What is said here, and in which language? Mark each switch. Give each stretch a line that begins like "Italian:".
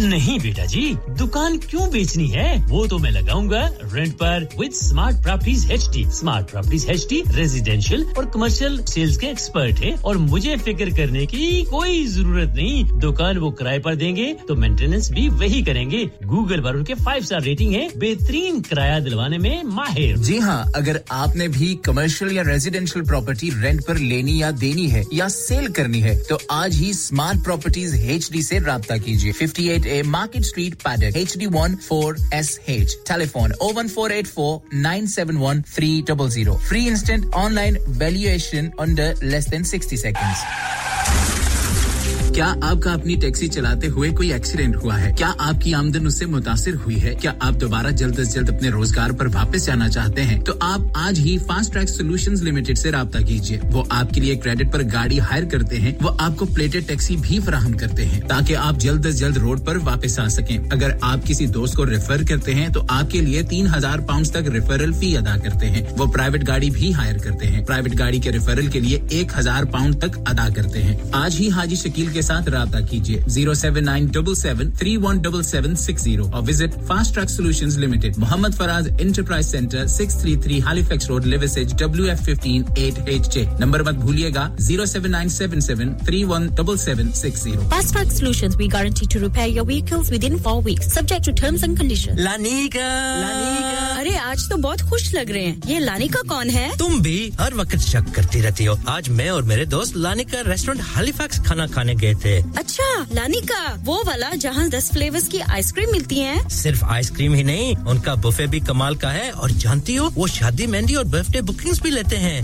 Hindi: नहीं बेटा जी, दुकान क्यों बेचनी है? वो तो मैं लगाऊंगा रेंट पर with Smart Properties HD. Smart Properties HD residential और commercial sales के expert हैं और मुझे फिकर करने की कोई ज़रूरत नहीं. दुकान वो किराए पर देंगे तो maintenance भी वही करेंगे. Google पर उनके 5-star rating है, बेहतरीन किराया दिलवाने में माहिर. जी हाँ, अगर आपने भी commercial या residential property rent पर लेनी या देनी है या sale करनी है तो आज ही Smart Property HD से राब्ता कीजिए 58A Market Street Paddock HD14SH Telephone 01484-971-300
English: Free instant online valuation under less than 60 seconds
Hindi: क्या आपका अपनी टैक्सी चलाते हुए कोई एक्सीडेंट हुआ है क्या आपकी आमदनी उससे मुतासिर हुई है क्या आप दोबारा जल्द से जल्द अपने रोजगार पर वापस जाना चाहते हैं तो आप आज ही फास्ट ट्रैक सॉल्यूशंस लिमिटेड से رابطہ कीजिए वो आपके लिए क्रेडिट पर गाड़ी हायर करते हैं वो आपको प्लेटेड टैक्सी भी प्रदान करते हैं ताकि आप जल्द से जल्द रोड पर वापस आ सकें अगर आप किसी दोस्त को रेफर करते हैं तो आपके लिए £3,000 तक रेफरल फी अदा करते हैं वो प्राइवेट गाड़ी भी हायर करते हैं प्राइवेट गाड़ी के रेफरल के लिए £1,000 तक अदा करते हैं आज ही हाजी शकील के साथ राता कीजिए 07977317760 और visit
English: Fast Track Solutions Limited, Mohammed Faraz Enterprise Center, 633 Halifax Road, Levisage, WF15 8HJ.
Hindi: Number मत भूलिएगा 07977317760.
English: Fast Track Solutions, we guarantee to repair your vehicles within 4 weeks, subject to terms and conditions.
Hindi: Lanika, अरे आज तो बहुत खुश लग रहे हैं. ये लानिका कौन है? तुम भी हर वक्त शक करती रहती हो. आज मैं और मेरे दोस्त लानिका रेस्टोरेंट हैलिफैक्स खाना खाने गए थे. अच्छा, लानिका वो वाला जहां 10 फ्लेवर्स की आइसक्रीम मिलती हैं? सिर्फ आइसक्रीम ही नहीं, उनका बुफे भी कमाल का है. और जानती हो, वो शादी मेहंदी और बर्थडे बुकिंग्स भी लेते हैं.